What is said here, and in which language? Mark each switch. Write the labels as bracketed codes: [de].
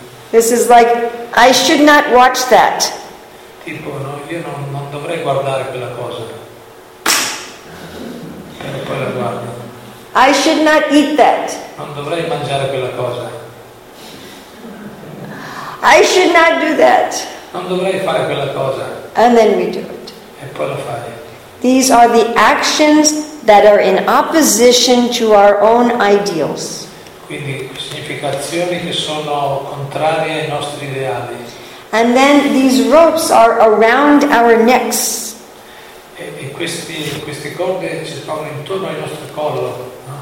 [en] This is like, I should not watch that. [it] Tipo, no, io non dovrei guardare quella cosa. E poi la guardo. [en] I should not eat that. [it] Non dovrei mangiare quella cosa. [en] I should not do that. [it] Non dovrei fare quella cosa. [en] And then we do it. [it] E poi lo fai. [en] These are the actions that are in opposition to our own ideals. [it] Quindi significa azioni che sono contrarie ai nostri ideali. [en] And then these ropes are around our necks. [it] E queste corde ci stanno intorno al nostro collo.